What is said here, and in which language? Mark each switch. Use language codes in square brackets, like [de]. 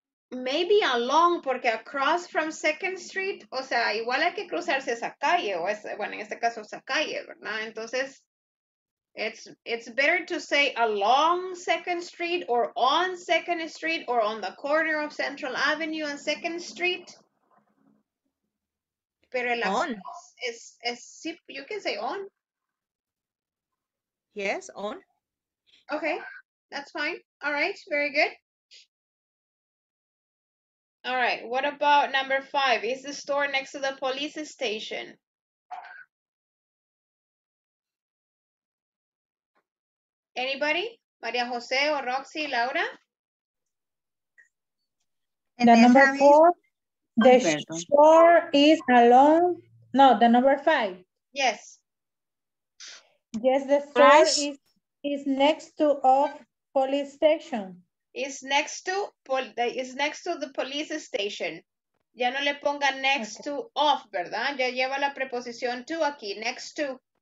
[en] Maybe along, [es] porque across from Second Street, o sea, igual hay que cruzarse esa calle, o es, bueno, en este caso esa calle, ¿verdad? [en] Entonces, it's better to say along Second Street, or on Second Street, or on the corner of Central Avenue and Second Street. [es] Pero el [en] on. Sí, you can say on. Yes, on. Okay, that's fine. All right, very good. All right, what about number five? Is the store next to the police station? Anybody? Maria Jose or Roxy, Laura? The number four, the store is along, no, the number five. Yes. Yes, the store is next to off police station. Is next to the police station. [es] Ya no le ponga next to off, ¿verdad? Ya lleva la preposición to aquí, next to.